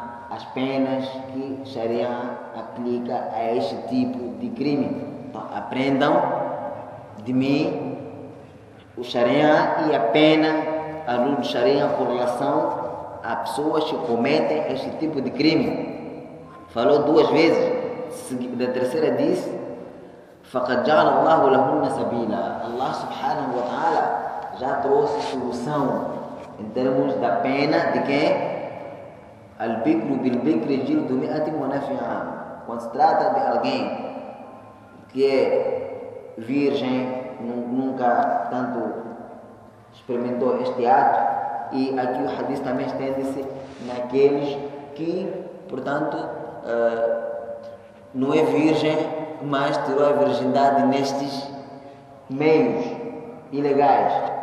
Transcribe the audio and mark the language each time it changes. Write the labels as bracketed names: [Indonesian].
[Portuguese] As penas que Sharia aplica a este tipo de crime. Então, aprendam de mim o Sharia e a pena, a luz do Sharia, por relação a pessoas que cometem este tipo de crime. Falou duas vezes. Na terceira disse: [Arabic] فَقَدْ جَعَلَ اللَّهُ لَهُنَّ سَبِيلًا. [Portuguese] Allah subhanahu wa ta'ala já trouxe solução em termos da pena de quem? [Arabic] Al-bikru bil-bikri jildu mi'ati wa nafi'a. [Portuguese] Quando se trata de alguém que é virgem, nunca tanto experimentou este ato, e aqui o hadith também estende-se naqueles que, portanto, não é virgem, mas tirou a virgindade nestes meios ilegais.